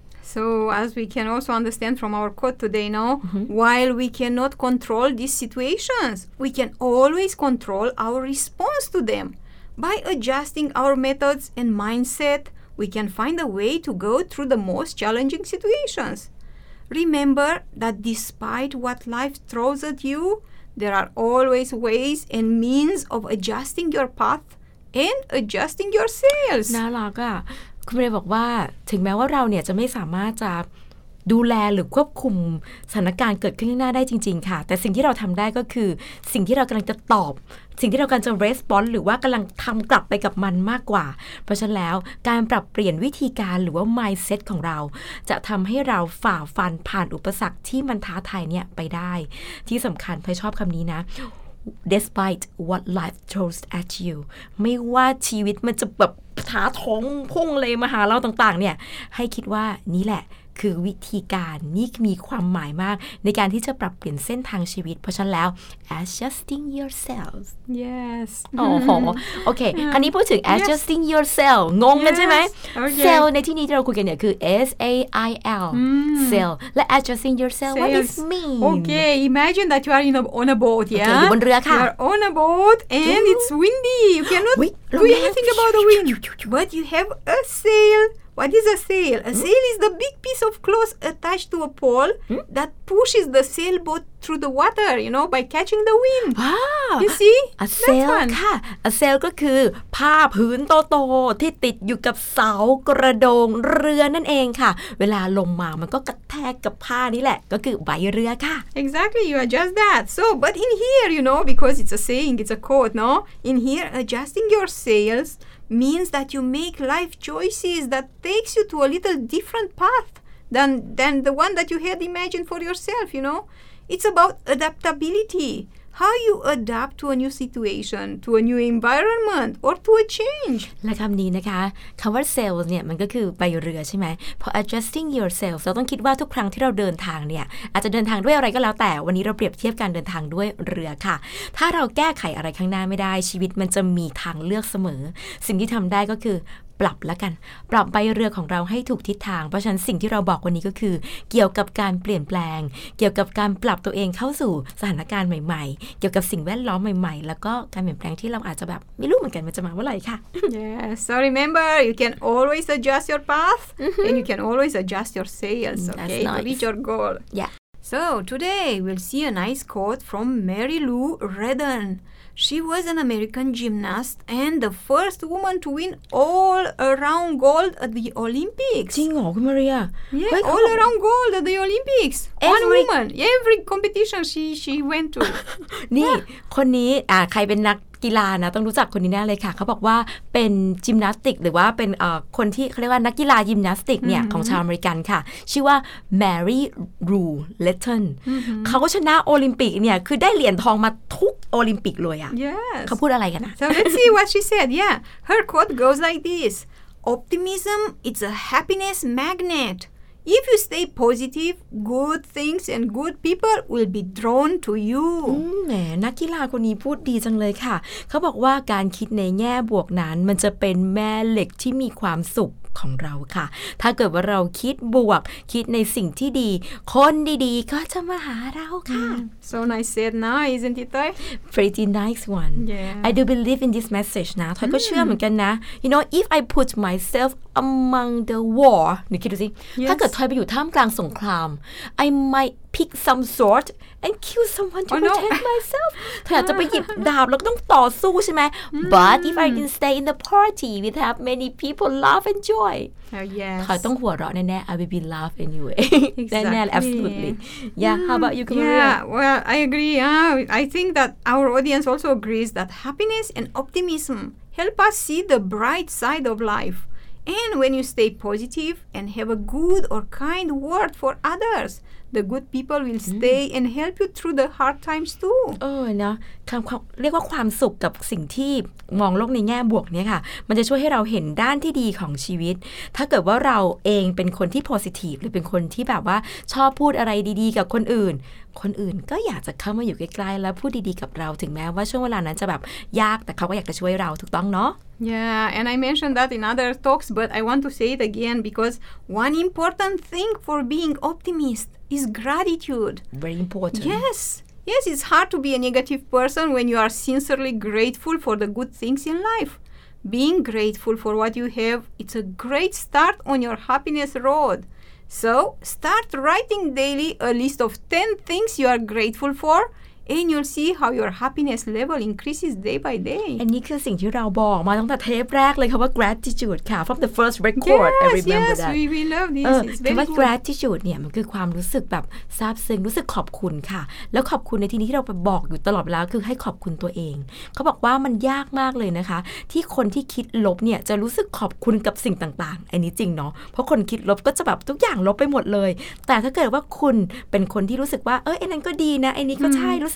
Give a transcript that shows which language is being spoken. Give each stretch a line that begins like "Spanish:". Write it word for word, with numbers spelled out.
English: So as we can also understand from our quote today now mm-hmm. while we cannot control these situations we can always control our response to them by adjusting our methods and mindset we can find a way to go through the most challenging situations remember that despite what life throws at you there are always ways and means of adjusting your path and adjusting your sails
Thai: น่ารักอ่ะคุณเมย์บอกว่าถึงแม้ว่าเราเนี่ยจะไม่สามารถจะดูแลหรือควบคุมสถานการณ์เกิดขึ้นข้างหน้าได้จริงๆค่ะแต่สิ่งที่เราทำได้ก็คือสิ่งที่เรากำลังจะตอบสิ่งที่เรากำลังจะ response หรือว่ากำลังทำกลับไปกับมันมากกว่าเพราะฉะนั้นแล้วการปรับเปลี่ยนวิธีการหรือว่า mindset ของเราจะทำให้เราฝ่าฟันผ่านอุปสรรคที่มันท้าทายเนี่ยไปได้ที่สำคัญพลอยชอบคำนี้นะ
English: despite what life throws at you
Thai: ไม่ว่าชีวิตมันจะแบบ ถาถงพุ่งเลยมาหาเราต่างๆเนี่ยให้คิดว่านี่แหละคือวิธีการนี่มีความหมายมากในการที่จะปรับเปลี่ยนเส้นทางชีวิตเพราะฉะนั้นแล้ว
English: adjusting yourselves yes
Thai: โอ้โหโอเคคราวนี้พูดถึง
English: adjusting yourself
Thai: งงกันใช่ไหม cell ในที่นี้ที่เราคุยกันเนี่ยคือ S A I L cell และ adjusting yourself
English: what does it mean okay imagine that you are in a, on a boat yeah
Thai: อยู่บนเรือค่ะ
English: you are on a boat and it's windy you cannot do anything about the wind but you have a sail What is a sail? A sail is the big piece of cloth attached to a pole hmm? that pushes the sailboat through the water, you know, by catching the wind. Wow. You see?
Thai: A sail ค่ะ A sail ก็คือผ้าพื้นโตๆที่ติดอยู่กับเสากระโดงเรือนั่นเองค่ะเวลาลมมามันก็กระแทกกับผ้านี่แหละก็คือใบเรือค่ะ
English: Exactly, you adjust that. So, but in here, you know, because it's a saying, it's a quote, no? In here, adjusting your sails means that you make life choices that takes you to a little different path than than the one that you had imagined for yourself, you know. It's about adaptability, how you adapt to a new situation, to a new environment, or to a change.
Thai: และคำนี้นะคะคำว่า sail เนี่ยมันก็คือใบเรือใช่ไหมพอ
English: adjusting yourself
Thai: เราต้องคิดว่าทุกครั้งที่เราเดินทางเนี่ยอาจจะเดินทางด้วยอะไรก็แล้วแต่วันนี้เราเปรียบเทียบการเดินทางด้วยเรือค่ะถ้าเราแก้ไขอะไรข้างหน้าไม่ได้ชีวิตมันจะมีทางเลือกเสมอสิ่งที่ทำได้ก็คือปรับละกันปรับใบเรือของเราให้ถูกทิศทางเพราะฉะนั้นสิ่งที่เราบอกวันนี้ก็คือเกี่ยวกับการเปลี่ยนแปลงเกี่ยวกับการปรับตัวเองเข้าสู่สถานการณ์ใหม่ๆเกี่ยวกับสิ่งแวดล้อมใหม่ๆแล้วก็การเปลี่ยนแปลงที่เราอาจจะแบบไม่รู้เหมือนกันมันจะมาเมื่อไหร่ค่ะ
English: Yes so remember you can always adjust your path and you can always adjust your sails okay to reach your goal Yeah so today we'll see a nice quote from Mary Lou Retton She was an American gymnast and the first woman to win all-around gold at the Olympics.
Thai: จริงเหรอคุณมาเรีย
English: Yeah, Wait, all-around gold at the Olympics. Every One woman, every competition she she went to.
Thai: นี่ คนนี้อ่าใครเป็นนักกีฬานะต้องรู้จักคนนี้แน่เลยค่ะเขาบอกว่าเป็นยิมนาสติกหรือว่าเป็นเอ่อคนที่เขาเรียกว่านักกีฬายิมนาสติกเนี่ยของชาวอเมริกันค่ะชื่อว่า Mary Lou Retton เขาชนะโอลิมปิกเนี่ยคือได้เหรียญทองมาทุกโอลิมปิกเลยอ่ะ
English: Yes.
Thai: เขาพูดอะไรกันนะ
English: So let's see what she said. Yeah. Her quote goes like this. Optimism is a happiness magnet. If you stay positive, good things and good people will be drawn to you.
Thai: แหมนักกีฬาคนนี้พูดดีจังเลยค่ะเขาบอกว่าการคิดในแง่บวกนั้นมันจะเป็นแม่เหล็กที่มีความสุขของเราค่ะถ้าเกิดว่าเราคิดบวกคิดในสิ่งที่ดีคนดีๆก็จะมาหาเราค่ะ
English: So nice said now isn't it Toy? Pretty nice one yeah. I do believe in this message
Thai: นะทอยก็เชื่อเหมือนกันนะ
English: You know if I put myself among the war
Thai: นี่คิดดูสิ
English: yes.
Thai: ถ้าเกิดทอยไปอยู่ท่ามกลางสงคราม
English: I might pick some sword and kill someone to oh, protect no. myself
Thai: เธออาจจะไปหยิบดาบแล้วก็ต้องต่อสู้ใช่ไหม
English: But if I can stay in the party we have many people laugh and joy Oh yes
Thai: เธอต้องหัวเราะแน่ๆ
English: I will be laugh anyway Exactly
Thai: แน่ๆ
English: absolutely Yeah how about you Gloria Yeah well I agree uh, I think that our audience also agrees that happiness and optimism help us see the bright side of life and when you stay positive and have a good or kind word for others The good people will stay and help you through the hard times too.
Thai: เออนะเรียกว่าความสุขกับสิ่งที่มองโลกในแง่บวกเนี่ยค่ะมันจะช่วยให้เราเห็นด้านที่ดีของชีวิตถ้าเกิดว่าเราเองเป็นคนที่ positive หรือเป็นคนที่แบบว่าชอบพูดอะไรดีๆกับคนอื่นคนอื่นก็อยากจะเข้ามาอยู่ใกล้ๆแล้วพูดดีๆกับเราถึงแม้ว่าช่วงเวลานั้นจะแบบยากแต่เขาก็อยากจะช่วยเราถูกต้องเนาะ
English: Yeah, and I mentioned that in other talks, but I want to say it again because one important thing for being optimist is gratitude. Very important. Yes, yes, it's hard to be a negative person when you are sincerely grateful for the good things in life. Being grateful for what you have, it's a great start on your happiness road. So, start writing daily a list of ten things you are grateful for and you'll see how your happiness level increases day by day.
Thai: อันนี้คือสิ่งที่เราบอกมาตั้งแต่เทปแรกเลยค่ะว่า gratitude ค่ะ
English: from the first record yes, I remember yes, that we, we love this
Thai: เออ
English: It's
Thai: คำว่า
English: good.
Thai: gratitude เนี่ยมันคือความรู้สึกแบบซาบซึ้งรู้สึกขอบคุณค่ะแล้วขอบคุณในที่นี้ที่เราไปบอกอยู่ตลอดเวลาคือให้ขอบคุณตัวเองเขาบอกว่ามันยากมากเลยนะคะที่คนที่คิดลบเนี่ยจะรู้สึกขอบคุณกับสิ่งต่างๆอันนี้จริงเนาะเพราะคนคิดลบก็จะแบบทุกอย่างลบไปหมดเลยแต่ถ้าเกิดว่าคุณเป็นคนที่รู้สึกว่าเออไอ้นั้นก็ดีนะไอ้นี้ก็ใช่รู้